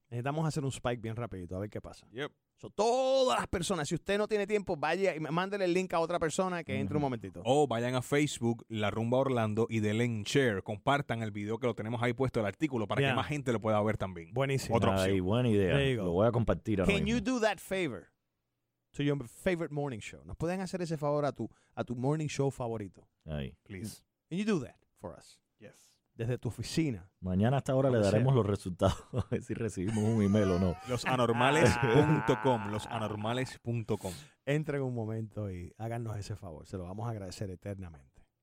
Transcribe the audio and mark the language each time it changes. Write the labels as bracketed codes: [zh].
[es] Necesitamos hacer un spike bien rapidito, a ver qué pasa. [en] Yep. So, [es] todas las personas, si usted no tiene tiempo, vaya y mándele el link a otra persona que entre un momentito. O vayan a Facebook, La Rumba Orlando, y denle en share. Compartan el video que lo tenemos ahí puesto, el artículo, para que más gente lo pueda ver también. Buenísimo. Otra opción. Ay, buena idea. Lo voy a compartir ahora [en] Can [es] mismo. [en] You do that favor to your favorite morning show? [es] ¿Nos pueden hacer ese favor a tu [en] morning show [es] favorito? Ahí. [en] Please. And you do that for us. Yes. [es] Desde tu oficina. Mañana a esta hora le daremos los resultados, a ver si recibimos un email o no. Losanormales.com, losanormales.com. Entren un momento y háganos ese favor. Se lo vamos a agradecer eternamente.